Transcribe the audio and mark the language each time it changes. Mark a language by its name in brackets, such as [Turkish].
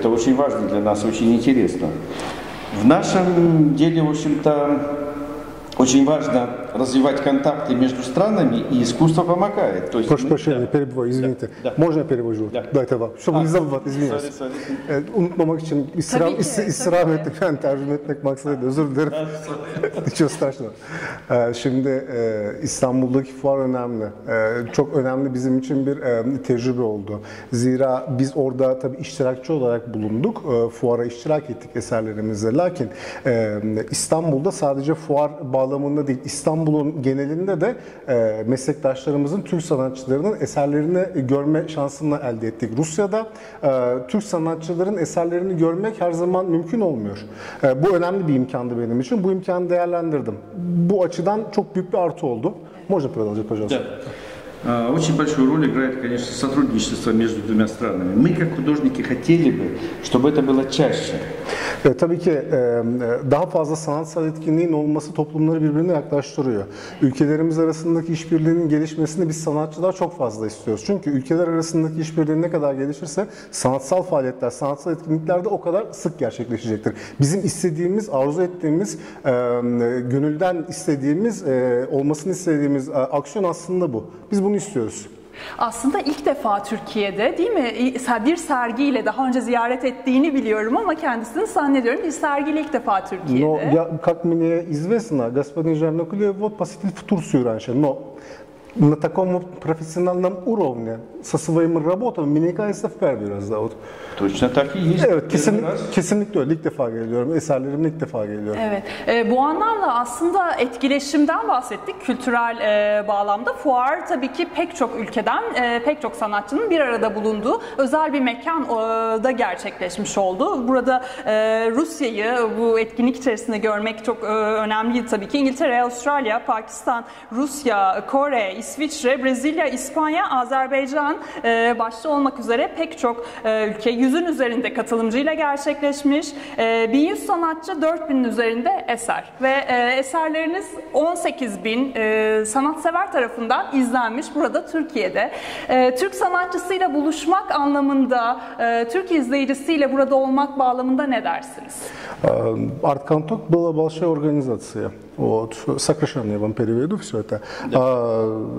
[Russian] Это очень важно для нас, очень интересно. В нашем деле, в общем-то, очень важно развивать контакты между странами, и искусство помогает. То есть Прошу прощения, да. Перебиваю, извините. Да, да. Можно я перевожу? Да. Этого, чтобы не забывать, Ничего страшного. [Turkish] Şimdi İstanbul'daki fuar önemli. Çok önemli bizim için bir tecrübe oldu. Zira biz orada tabii iştirakçı olarak bulunduk. Fuara iştirak ettik eserlerimizle. Lakin İstanbul'da sadece fuar bağlamında değil, İstanbul'un genelinde de meslektaşlarımızın, Türk sanatçılarının eserlerini görme şansını elde ettik. Rusya'da Türk sanatçıların eserlerini görmek her zaman mümkün olmuyor. Bu önemli bir imkandı benim için. Bu imkanı değerlendirdim. Bu açıдан çok büyük bir artı oldu. [Russian] Можно продолжить, пожалуйста. Очень большую роль играет, конечно, сотрудничество между двумя странами. Мы как художники хотели бы, чтобы это было чаще. [Turkish] Tabii ki daha fazla sanatsal etkinliğin olması toplumları birbirine yaklaştırıyor. Ülkelerimiz arasındaki işbirliğinin gelişmesini biz sanatçılar çok fazla istiyoruz. Çünkü ülkeler arasındaki işbirliği ne kadar gelişirse sanatsal faaliyetler, sanatsal etkinlikler de o kadar sık gerçekleşecektir. Bizim istediğimiz, arzu ettiğimiz, gönülden istediğimiz, olmasını istediğimiz aksiyon aslında bu. Biz bunu istiyoruz. Aslında ilk defa Türkiye'de, değil mi? Bir sergiyle daha önce ziyaret ettiğini biliyorum ama kendisini zannediyorum bir sergiyle ilk defa Türkiye'de. [Russian] Но я как мне известно, господин Zhernokluyev вот посетил в Турцию раньше, но на таком профессиональном уровне со своими работами, мне кажется, в первый раз, да, вот. Точно так и есть. [Turkish] Evet, kesinlikle öyle. İlk defa geliyorum. Eserlerim ilk defa geliyor. Evet. Bu anlamda aslında etkileşimden bahsettik. Kültürel bağlamda. Fuar tabii ki pek çok ülkeden, pek çok sanatçının bir arada bulunduğu özel bir mekanda gerçekleşmiş oldu. Burada Rusya'yı bu etkinlik içerisinde görmek çok önemliydi tabii ki. İngiltere, Avustralya, Pakistan, Rusya, Kore, İsviçre, Brezilya, İspanya, Azerbaycan başta olmak üzere pek çok ülke 100'ün üzerinde katılımcıyla gerçekleşmiş. 1100 sanatçı, 4000'in üzerinde eser. Ve eserleriniz 18.000 sanatsever tarafından izlenmiş burada Türkiye'de. Türk sanatçısıyla buluşmak anlamında, Türk izleyicisiyle burada olmak bağlamında ne dersiniz? [Russian] Art Contact была большая организация. Вот, сокращенно я вам переведу все это. Да.